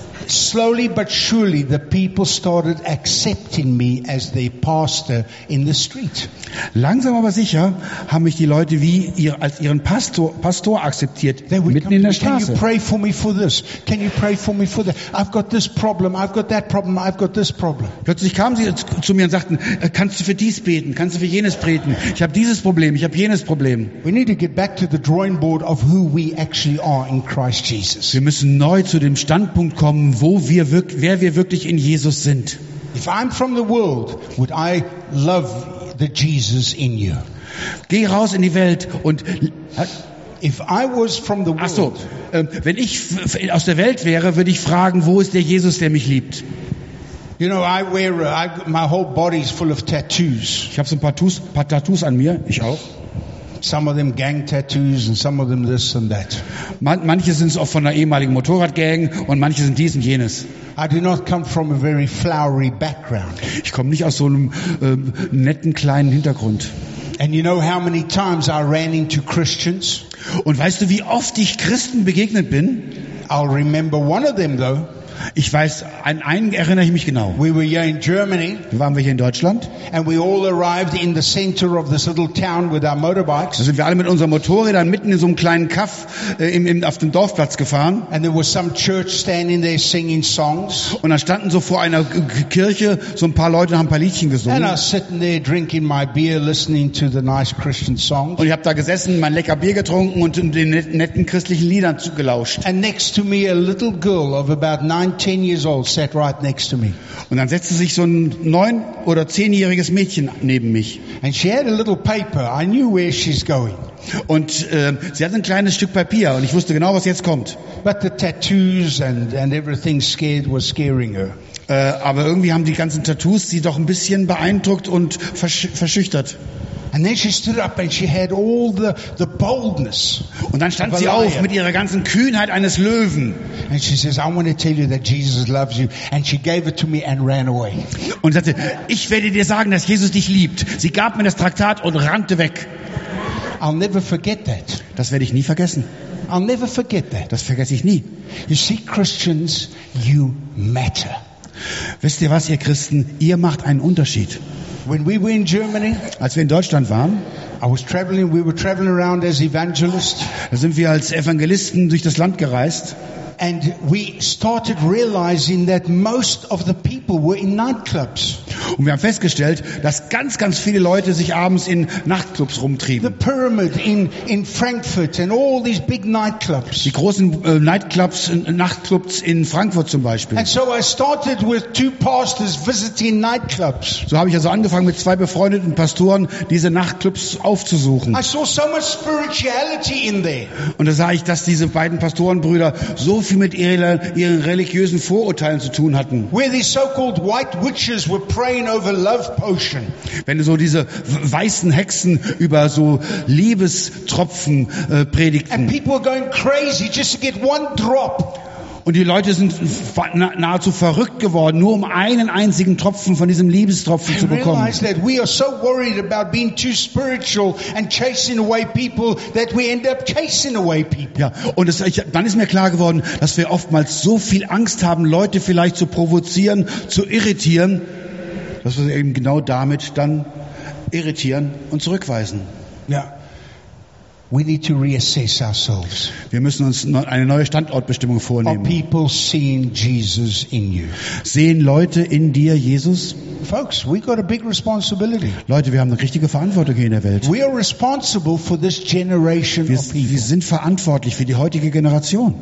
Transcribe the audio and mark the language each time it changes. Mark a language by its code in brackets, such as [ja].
[en] slowly but surely the people started accepting me as their pastor in the street. [de] Langsam aber sicher haben mich die Leute wie ihr, als ihren Pastor akzeptiert, mitten in der Straße. [en] Can you pray for me for this? Can you pray for me for that? I've got this problem, I've got that problem, I've got this problem. [de] Plötzlich kamen sie zu mir und sagten, kannst du für dies beten, kannst du für jenes beten? Ich habe dieses Problem, ich habe jenes Problem. [en] We need to get back to the drawing board of who we actually are in Christ Jesus. [de] Wir müssen neu zu dem Standpunkt kommen, wer wir wirklich in Jesus sind. [en] If I'm from the world, would I love the Jesus in you? [de] Geh raus in die Welt und [en] if I was from the world, [de] wenn ich aus der Welt wäre, würde ich fragen, wo ist der Jesus, der mich liebt? [en] You know, my whole body is full of tattoos. [de] Ich habe so ein paar Tattoos an mir. Ich auch. [en] Some of them gang tattoos and some of them this and that. [de] Manche sind auch von einer ehemaligen Motorradgang und manche sind dies und jenes. [en] I do not come from a very flowery background. [de] Ich komme nicht aus so einem netten kleinen Hintergrund. [en] And you know how many times I ran into Christians? [de] Und weißt du, wie oft ich Christen begegnet bin? [en] I'll remember one of them though. [de] Ich weiß, an einen erinnere ich mich genau. [en] We were here in Germany. [de] Waren wir hier in Deutschland? [en] And we all arrived in the center of this little town with our motorbikes. [de] Da sind wir alle mit unseren Motorrädern mitten in so einem kleinen Kaff auf dem Dorfplatz gefahren. [en] And there was some church standing there singing songs. [de] Und da standen so vor einer Kirche so ein paar Leute und haben ein paar Liedchen gesungen. [en] And I was sitting there drinking my beer, listening to the nice Christian songs. [de] Und ich habe da gesessen, mein lecker Bier getrunken und den netten christlichen Liedern zugelauscht. [en] And next to me a little girl of about 9-10 years old sat right next to me. [de] Und dann setzte sich so ein 9- oder 10-jähriges Mädchen neben mich. [en] And she had a little paper. I knew where she's going. [de] Und sie hatte ein kleines Stück Papier und ich wusste genau, was jetzt kommt. [en] But the tattoos and everything scared was scaring her. [de] Aber irgendwie haben die ganzen Tattoos sie doch ein bisschen beeindruckt und verschüchtert. [en] And then she stood up and she had all the boldness. [de] Und dann stand sie auf mit ihrer ganzen Kühnheit eines Löwen. [en] And she says, I want to tell you that Jesus loves you. And she gave it to me and ran away. [de] Und sagte, ich werde dir sagen, dass Jesus dich liebt. Sie gab mir das Traktat und rannte weg. [en] I'll never forget that. [de] Das werde ich nie vergessen. [en] I'll never forget that. [de] Das vergesse ich nie. [en] You see, Christians, you matter. [de] Wisst ihr was, ihr Christen? Ihr macht einen Unterschied. [en] When we were in Germany, [de] als wir in Deutschland waren, [en] I was traveling, we were traveling around as evangelists. [de] Da sind wir als Evangelisten durch das Land gereist. [en] And we started realizing that most of the people were in nightclubs. [de] Und wir haben festgestellt, dass ganz, ganz viele Leute sich abends in Nachtclubs rumtrieben. [en] The Pyramid in Frankfurt and all these big nightclubs. [de] Die großen Nachtclubs in Frankfurt zum Beispiel. [en] And so I started with two pastors visiting nightclubs. [de] So habe ich also angefangen, mit zwei befreundeten Pastoren diese Nachtclubs aufzusuchen. [en] I saw so much spirituality in there. [de] Und da sah ich, dass diese beiden Pastorenbrüder so viel mit ihren religiösen Vorurteilen zu tun hatten. [en] Where these so-called white witches were praying over love potion. [de] Wenn so diese weißen Hexen über so Liebestropfen predigten. [en] And people were going crazy just to get one drop. [de] Und die Leute sind nahezu verrückt geworden, nur um einen einzigen Tropfen von diesem Liebestropfen zu bekommen. [en] I realize that we are so worried about being too spiritual and chasing away people that we end up chasing away people. [de] Ja, und dann ist mir klar geworden, dass wir oftmals so viel Angst haben, Leute vielleicht zu provozieren, zu irritieren, dass wir sie eben genau damit dann irritieren und zurückweisen. Ja. [en] We need to reassess ourselves. [de] Wir müssen uns eine neue Standortbestimmung vornehmen. [en] Are people seeing Jesus in you? [de] Sehen Leute in dir Jesus? [en] Folks, we got a big responsibility. [de] Leute, wir haben eine richtige Verantwortung hier in der Welt. [en] We are responsible for this generation of people. [de] Wir sind verantwortlich für die heutige Generation.